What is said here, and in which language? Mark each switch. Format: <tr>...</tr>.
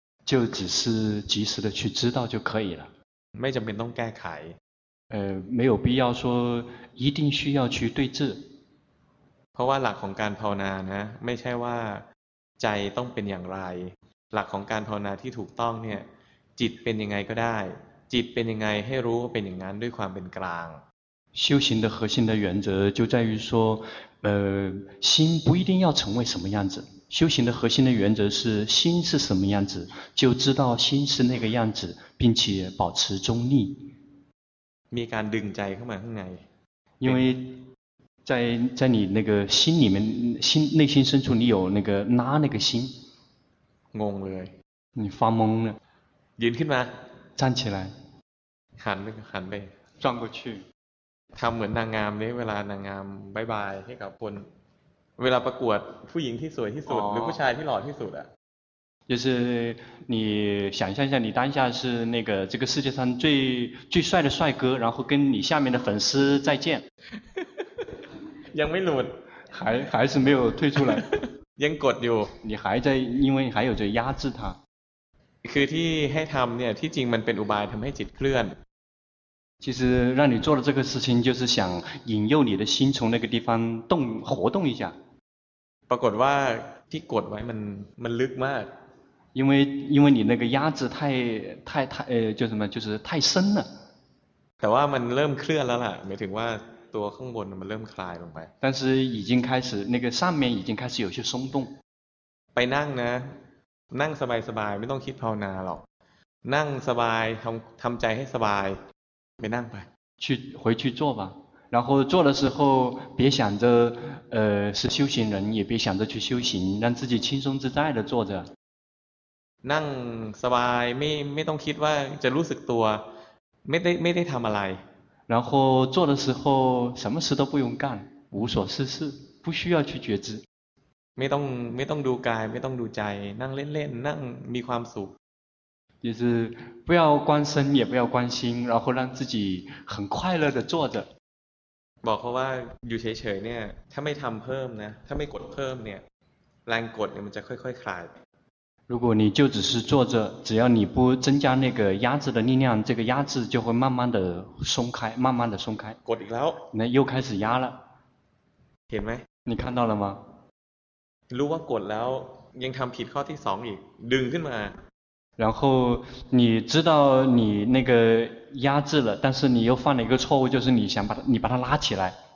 <zh>就只是及时的去知道就可以了</zh> <th>ไม่จำเป็นต้องแก้ไข</th> <zh>没有必要说一定需要去对治</zh> <th>เพราะว่าหลักของการภาวนานะไม่ใช่ว่าใจต้องเป็นอย่างไรหลักของการภาวนาที่ถูกต้องเนี่ยจิตเป็นยังไงก็ได้จิตเป็นยังไงให้รู้ว่าเป็นอย่างนั้นด้วยความเป็นกลาง</th> <zh>修行的核心的原则就在于说心不一定要成为什么样子修行的核心的原则是心是什么样子就知道心是那个样子并且保持中立</zh> <th>มีการดึงใจเข้ามาข้างใน</th> <zh>因为在你那个心里面心内心深处你有那个拉那个心</zh> <th>งงเลย</th> <zh>你发懵了</zh> <th>ยืนขึ้นมา</th> <zh>站起来</zh> <th>หันไป</th> <zh>转过去</zh> <th>ทำเหมือนนางงามเนี่ยเวลานางงามบายบายให้กับคนเวลาประกวดผู้หญิงที่สวยที่สุดหรือผู้ชายที่หล่อที่สุดอ่ะ</th> <zh>就是你想象一下你当下是那个这个世界上最帅的帅哥然后跟你下面的粉丝再见</zh> <th>ยังไม่หลุด</th> <zh>还是没有退出来</zh> <th>ยังกดอยู่</th> <zh>你还在因为还有在压制他</zh> <th>คือที่ให้ทำเนี่ยที่จริงมันเป็นอุบายทำให้จิตเคลื่อน</th> <zh>其实让你做的这个事情就是想引诱你的心从那个地方动活动一下</zh> <th>ปรากฏว่าที่กดไว้มันลึกมาก</th> <zh>因为你那个压制太就什么就是太深了</zh> <th>แต่ว่ามันเริ่มเคลื่อนแล้วล่ะหมายถึงว่าตัวข้างบนมันเริ่มคลายลงไป</th> <zh>但是已经开始那个上面已经开始有些松动</zh> <th>ไปนั่งนะนั่งสบายๆไม่ต้องคิดภาวนาหรอกนั่งสบายทำใจให้สบายไปนั่งไป</th> <zh>去回去坐吧然后坐的时候别想着是修行人也别想着去修行让自己轻松自在的坐着</zh> <th>นั่งสบายไม่ต้องคิดว่าจะรู้สึกตัวไม่ได้ทำอะไร</th> <zh>然后坐的时候什么事都不用干无所事事不需要去觉知</zh> <th>ไม่ต้องดูกายไม่ต้องดูใจนั่งเล่นๆนั่งมีความสุข</th> <zh>就是不要关身也不要关心然后让自己很快乐的坐着</zh> <th>บอกเขาว่าอยู่เฉยๆเนี่ยถ้าไม่ทำเพิ่มนะถ้าไม่กดเพิ่มเนี่ยแรงกดเนี่ยมันจะค่อยๆคลาย</th> <zh>如果你就只是坐着，只要你不增加那个压制的力量，这个压制就会慢慢的松开，慢慢的松开。</zh> <th>กดอีกแล้ว</th> <zh>那又开始压了。</zh> <th>เห็นไหม</th> <zh>你看到了吗？</zh> <th>รู้ว่ากดแล้วยังทำผิดข้อที่สองอีกดึงขึ้นมา。</th> <zh>然后你知道你那个压制了，但是你又犯了一个错误，就是你想把它，你把它拉起来。</zh>